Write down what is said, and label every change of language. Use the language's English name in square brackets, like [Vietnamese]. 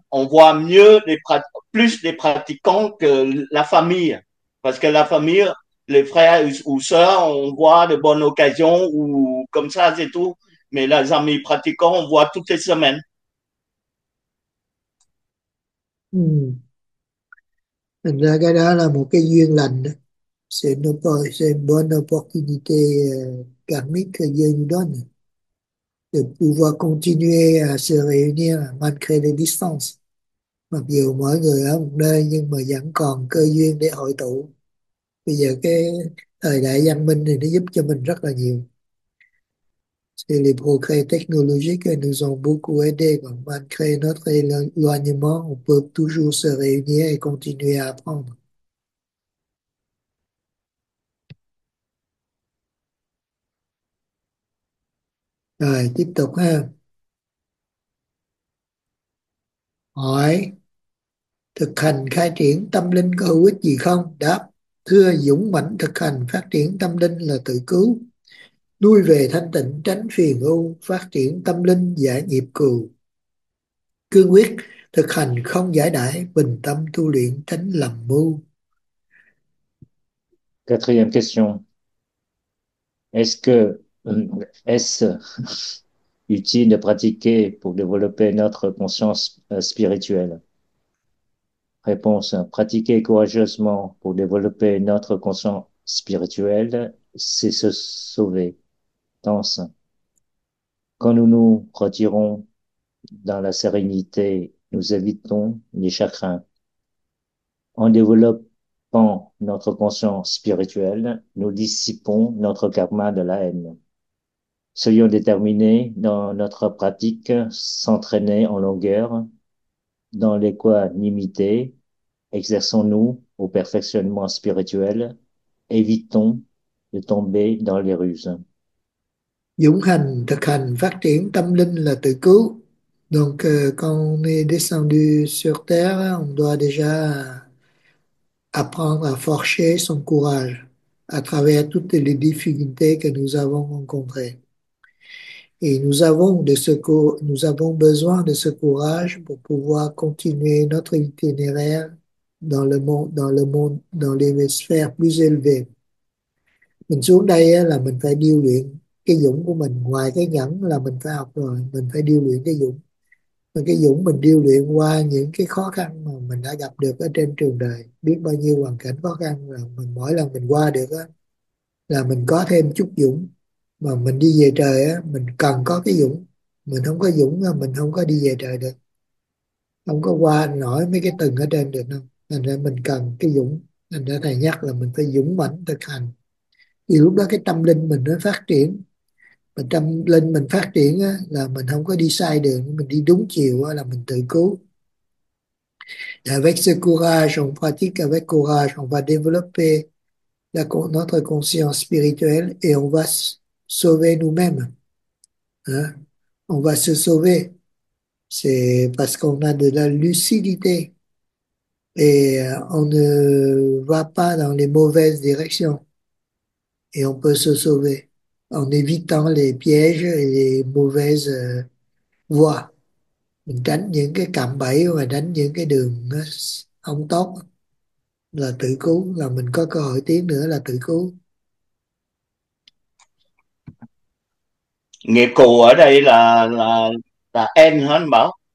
[French] On voit mieux, plus des pratiquants que la famille. Parce que la famille, les frères ou sœurs, on voit de bonnes occasions ou comme ça, c'est tout. Mais les amis pratiquants, on voit toutes les semaines. [Vietnamese] Thành ra cái đó là một cái duyên lành đó. [French] C'est une bonne opportunité karmique que Dieu nous donne de pouvoir continuer à se réunir malgré les distances. [Vietnamese] Mặc dù mỗi người ở một nơi nhưng mà vẫn còn cơ duyên để hội tụ. Bây giờ cái thời đại văn minh thì nó giúp cho mình rất là nhiều. [French] C'est les progrès technologiques qui nous ont beaucoup aidés. Malgré notre éloignement, on peut toujours se réunir et continuer à apprendre. [Vietnamese] Rồi, tiếp tục ha. Hỏi, thực hành khai triển tâm linh có hữu ích gì không? Đáp, thưa dũng mãnh thực hành phát triển tâm linh là tự cứu. Nuôi về thanh tịnh tránh phiền ưu phát triển tâm linh giải nghiệp cừu cương quyết thực hành không giải đãi bình tâm tu luyện tránh lầm mưu. [French] Quatrième question. Est-ce utile de pratiquer pour développer notre conscience spirituelle? Réponse. Pratiquer courageusement pour développer notre conscience spirituelle, c'est se sauver. Tense. Quand nous nous retirons dans la sérénité, nous évitons les chagrins. On développe notre conscience spirituelle, nous dissipons notre karma de la haine. Soyons déterminés dans notre pratique, s'entraîner en longueur, dans l'équanimité, exerçons-nous au perfectionnement spirituel, évitons de tomber dans les ruses. [Vietnamese] Dũng hành thực hành phát triển tâm linh là tự cứu. [French] Donc quand on est descendu sur terre, on doit déjà apprendre à forger son courage à travers toutes les difficultés que nous avons rencontrées. Et nous avons besoin de ce courage pour pouvoir continuer notre itinéraire dans le monde, dans l'hémisphère plus élevé. [Vietnamese] Mình xuống đây là mình phải điêu luyện cái dũng của mình, ngoài cái nhẫn là mình phải học rồi, mình phải điêu luyện cái dũng. Và cái dũng mình điêu luyện qua những cái khó khăn mà mình đã gặp được ở trên trường đời, biết bao nhiêu hoàn cảnh khó khăn là mình mỗi lần mình qua được á là mình có thêm chút dũng. Mà mình đi về trời á mình cần có cái dũng, mình không có dũng là mình không có đi về trời được, không có qua nổi mấy cái tầng ở trên được đâu. Thành ra mình cần cái dũng, thành ra thầy nhắc là mình phải dũng mãnh thực hành thì lúc đó cái tâm linh mình nó phát triển. Mà tâm linh mình phát triển á, là mình không có đi sai đường, mình đi đúng chiều á, là mình tự cứu. [French] Avec ce courage, on pratique avec courage, on va développer notre conscience spirituelle et on va sauver nous-mêmes. Hein? On va se sauver. C'est parce qu'on a de la lucidité et on ne va pas dans les mauvaises directions et on peut se sauver. En évitant les pièges et les mauvaises [Vietnamese] vua, mình đánh những cái cạm bẫy và đánh những cái đường không tốt là tự cứu, là mình có cơ hội tiến nữa là tự cứu. Nghiệp cù ở đây là em hả anh Bảo?